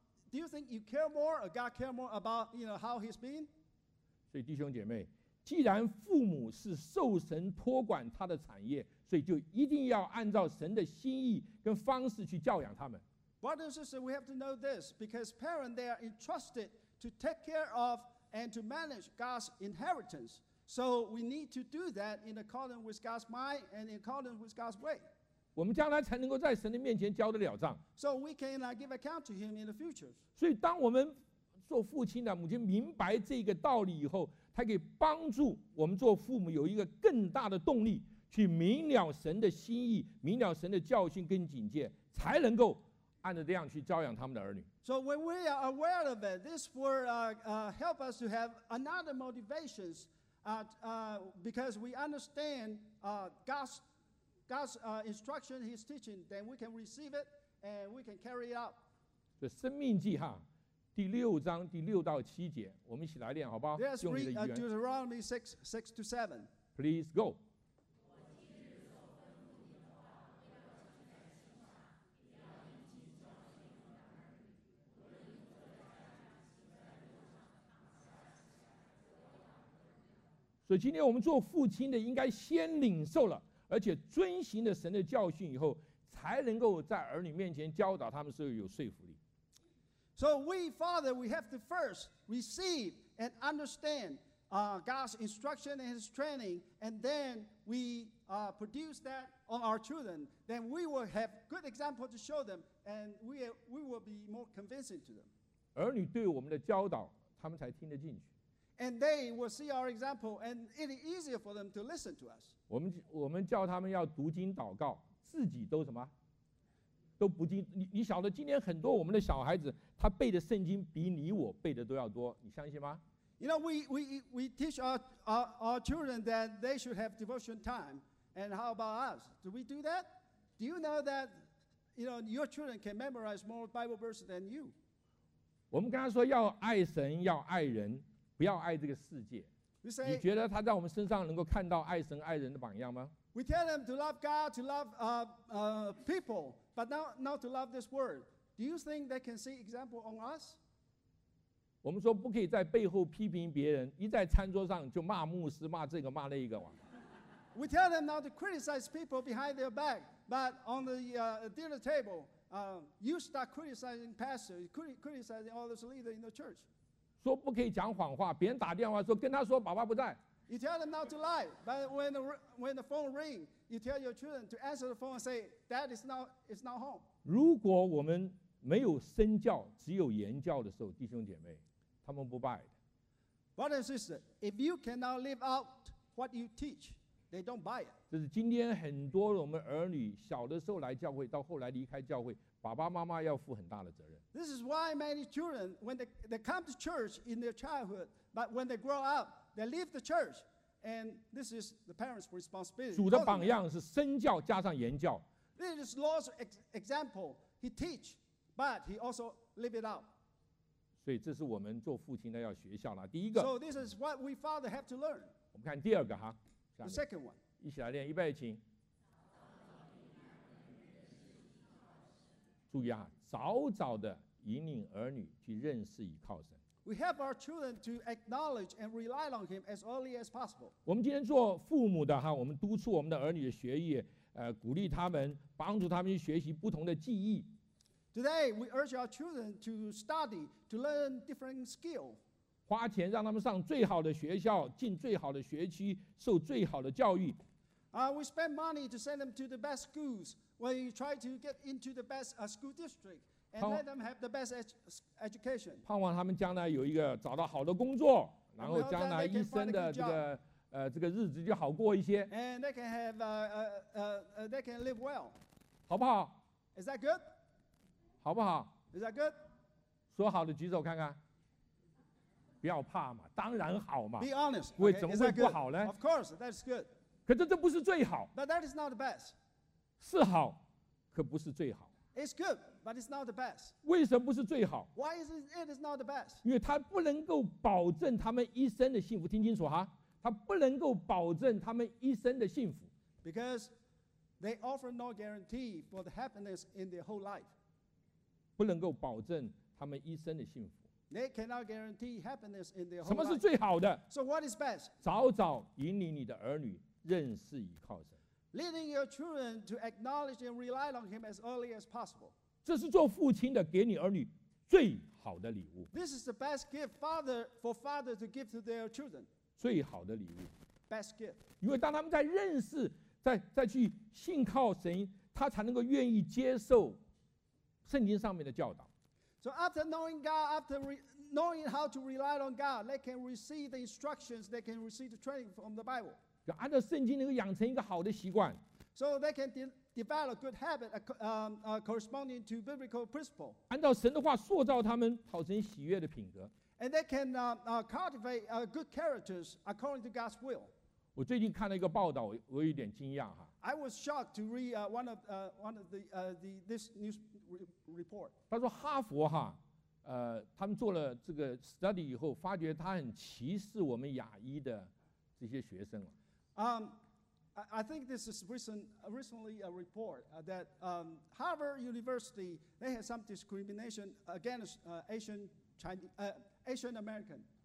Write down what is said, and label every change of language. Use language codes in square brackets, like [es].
[en] ？Do you think you care more, or God care more about you know how he's been? [zh] 所以弟兄姐妹，既然父母是受神托管他的产业，所以就一定要按照神的心意跟方式去教养他们。 [en] Brothers and sisters, we have to know this because parents they are entrusted to take care of and to manage God's inheritance. So we need to do that in accordance with God's mind and in accordance with God's way. [zh] 我们将来才能够在神的面前交得了账。 [en] So we can give account to him in the future. [zh] 所以当我们做父亲的母亲明白这个道理以后，他可以帮助我们做父母有一个更大的动力去明了神的心意，明了神的教训跟警戒，才能够按着这样去教养他们的儿女。 [en] So when we are aware of it, this will help us to have another motivations. Because we understand God's instruction, His teaching, then we can receive it and we can carry it out. [zh] 这生命记哈，第六章第六到七节，我们一起来念，好不好？用你的语言。 [en] Deuteronomy 6:6-7. Please go. [zh] 所以今天我们做父亲的应该先领受了，而且遵行了神的教训以后，才能够在儿女面前教导他们是有说服力。 [en] So we father, we have to first receive and understand God's instruction and His training, and then we produce that on our children. Then we will have good example to show them, and we will be more convincing to them. [zh] 儿女对我们的教导，他们才听得进去。 [en] And they will see our example, and it is easier for them to listen to us. [zh] 我们叫他们要读经祷告，自己都什么，都不经。你晓得今天很多我们的小孩子，他背的圣经比你我背的都要多，你相信吗 [en] ？You know, we teach our children that they should have devotion time, and how about us? Do we do that? Do you know that, you know, your children can memorize more Bible verses than you? [zh] 我们刚才说要爱神，要爱人。不要爱这个世界。你觉得他在我们身上能够看到爱神爱人的榜样吗 [en] ？We tell them to love God, to love people, but not to love this world. Do you think they can see example on us? [zh] 我们说不可以在背后批评别人，一在餐桌上就骂牧师，骂这个骂那个。 [en] We tell them not to criticize people behind their back, but on the dinner table, you start criticizing pastors, criticizing all those leaders in the church. [zh] 说不可以讲谎话，别人打电话说跟他说爸爸不在。 [en] You tell them not to lie, but when the phone rings, you tell your children to answer the phone and say, "Dad is not home." [zh] 如果我们没有身教，只有言教的时候，弟兄姐妹，他们不拜的。 [en] Brother and sister, if you cannot live out what you teach, they don't buy it. [zh] 这是今天很多我们儿女小的时候来教会，到后来离开教会，爸爸妈妈要负很大的责任。 [en] This is why many children, when they come to church in their childhood, but when they grow up, they leave the church, and this is the parents' responsibility. [zh] 主的榜样是身教加上言教。 [en] This is Lord's example. He teach, but he also live it out. [zh] 所以这是我们做父亲的要学校了。第一个。 [en] So this is what we father have to learn. [zh] 我们看第二个哈。 [en] The second one. [zh] 一起来练，预备，请。注意啊，早早的引领儿女去认识倚靠神。 [en] We help our children to acknowledge and rely on Him as early as possible. [zh] 我们今天做父母的哈，我们督促我们的儿女的学业，鼓励他们，帮助他们去学习不同的技艺。 [en] Today we urge our children to study to learn different skill. [zh] 花钱让他们上最好的学校，进最好的学区，受最好的教育。 [en] We spend money to send them to the best schools. When you try to get into the best school district and let them have the best education, [zh] 盼望他们将来有一个找到好的工作，然后将来一生的这个这个日子就好过一些。 [en] And they can have they can live well, [zh] 好不好 [en] ？Is that good? [zh] 好不好 [en] ？Is that good? [zh] 说好的举手看看。不要怕嘛，当然好嘛。 [en] Be honest. [zh] 为怎么会不好呢 [en] ？Of course, that's good. [zh] 可这不是最好。 [en] But that is not the best. [zh] 是好，可不是最好。 [en] It's good, but it's not the best. [zh] 为什么不是最好 [en] ？Why is it is not the best? [zh] 因为他不能够保证他们一生的幸福。听清楚哈，他不能够保证他们一生的幸福。 [en] Because they offer no guarantee for the happiness in their whole life. [zh] 不能够保证他们一生的幸福。 [en] They cannot guarantee happiness in their whole life. [zh] 什么是最好的 [en] ？So what is best? [zh] 早早引领你的儿女认识倚靠神。 [en] Leading your children to acknowledge and rely on Him as early as possible. [zh] 这是做父亲的给你儿女最好的礼物。 [en] This is the best gift for father to give to their children. [zh] 最好的礼物。 [en] Best gift. [zh] 因为当他们在认识，在去信靠神，他才能够愿意接受圣经上面的教导。 [en] So after knowing God, after knowing how to rely on God, they can receive the instructions. They can receive the training from the Bible. [zh] 就按照圣经能够养成一个好的习惯 [en] ，so they can develop good habit, corresponding to biblical principle. [zh] 按照神的话塑造他们讨神喜悦的品格 [en] ，and they can cultivate good characters according to God's will. [zh] 我最近看了一个报道，我有点惊讶哈。 [en] I was shocked to read one of the news report. [zh] 他说哈佛哈，他们做了这个 study 以后，发觉他很歧视我们亚裔的这些学生了。 [en] I think this is recently a report that Harvard University they have some discrimination against Asian American.